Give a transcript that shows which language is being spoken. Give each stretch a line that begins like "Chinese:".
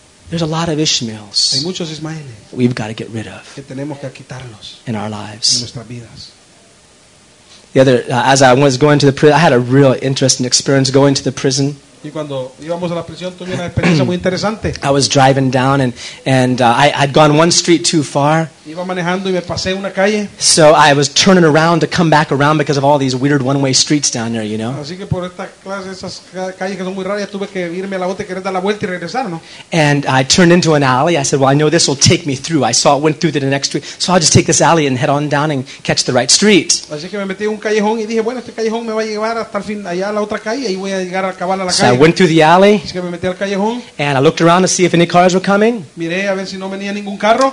English: There's a lot of Ishmaels.
Spanish: Hay muchos Ismaeles.
English: We've got to get rid of.
Spanish: Que tenemos que quitarlos.
English: In our lives.
Spanish: En nuestras vidas.
English: The other, as I was going to the prison, I had a real interesting experience going to the prison.
Spanish: Y cuando íbamos a la prisión tuve una experiencia muy interesante.
English: I was driving down and I'd gone one street too far.
Spanish: Iba manejando y me pasé una calle.
English: So I was turning around to come back around because of all these weird one-way streets down there, you know.
Spanish: Así que por esta clase esas calles que son muy raras tuve que irme a la otra y querer dar la vuelta y regresar, ¿no?
English: And I turned into an alley. I said, "Well, I know this will take me through. I saw it went through to the next street, so I'll just take this alley and head on down and catch the right street."
Spanish: Así que me metí en un callejón y dije, "Bueno, este callejón me va a llevar hasta el fin allá a la otra calle y voy a llegar a acabar a la calle."
English: I went through the alley,
Spanish: es que me metí al callejón,
English: and I looked around to see if any cars were coming.
Spanish: Miré a ver si no venía ningún carro.